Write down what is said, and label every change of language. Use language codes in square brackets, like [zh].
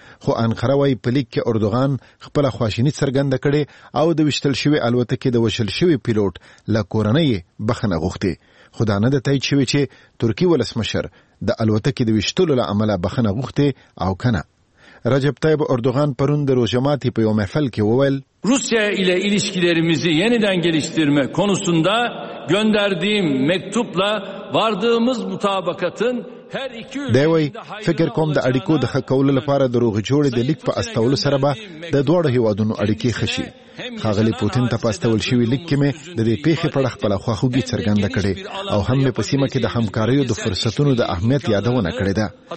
[ps] خو انقره وایي په لیک کې اردوغان خپله خواشیني څرګنده کړې او د ویشتل شوې الوتکې د وشل شوي پیلوټ له کورنۍ بخښنه غوښتې. خو دا نه ده تایید شوې چې ترکیه ولسمشر د الوتکې د ویشتلو له امله بخښنه غوښتې او کنه. رجب طیب اردوغان پرون د روژه ماتي په یو محفل کې وویل [tr] روسیا الی ilişkilerimizi yeniden geliştirme konusunda gönderdiğim mektupla vardığımız mutabakatın her iki ülke [ps] دوی فکر کوم د اړیکو د خکول لپاره د روغ جوړې د لیک په استولو سره به د دوړو هیوادونو اړیکې خشي. خاغلی پوتین ته په استول شوی لیک کې مې د دې پیښې په اړه خپل خواخوږي څرګنده کړې او هم مې په سیمه کې د همکاریو د فرصتونو د اهمیت یادونه کړې ده.